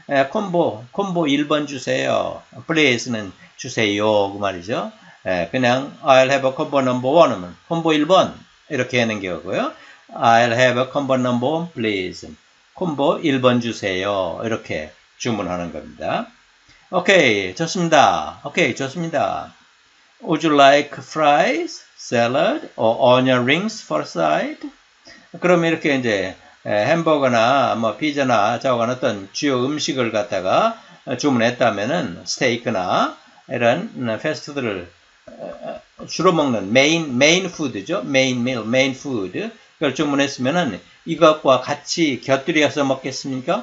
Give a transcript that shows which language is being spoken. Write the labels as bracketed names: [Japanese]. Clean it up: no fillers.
[Korean] 콤보 1번 주세요. Please는 주세요. 그 말이죠. 그냥 [English] I'll have a combo number 1 [Korean] 은 콤보 1번 이렇게 하는 거고요. [English] I'll have a combo number 1 please. [Korean] 콤보 1번 주세요. 이렇게 주문하는 겁니다. 오케이, 좋습니다. 오케이, 좋습니다. [English] Would you like fries, salad, or onion rings for side? [Korean] 그럼 이렇게 이제 햄버거나 뭐 피자나 저건 어떤 주요 음식을 갖다가 주문했다면은 스테이크나 이런 패스트푸드를 주로 먹는 메인 푸드죠. 메인 밀, 메인 푸드. 그걸 주문했으면은 이것과 같이 곁들여서 먹겠습니까?